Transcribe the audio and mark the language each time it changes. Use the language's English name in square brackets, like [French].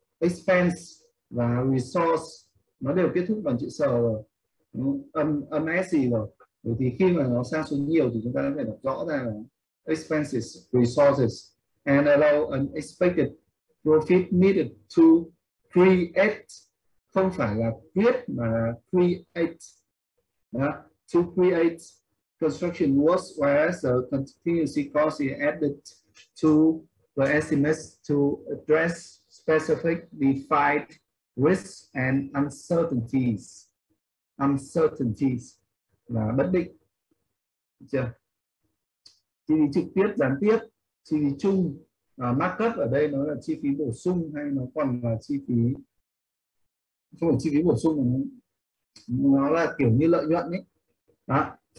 [Vietnamese] Expense và resource nó đều kết thúc bằng chữ sờ rồi. Âm S gì rồi. Bởi vì khi mà nó sang số nhiều thì chúng ta phải đọc rõ ra là [English] expenses, resources and allow an expected profit needed to create, [Vietnamese] không phải là create mà là create. Đó. [English] To create construction works whereas the contingency cost is added to the estimates to address specific defined risks and uncertainties. [Vietnamese] Uncertainties là bất định. Được chưa? Chi phí trực tiếp, gián tiếp, chi phí chung, markup ở đây nó là chi phí bổ sung hay nó còn là chi phí, không phải chi phí bổ sung mà nó là kiểu như lợi nhuận ấy. Đó.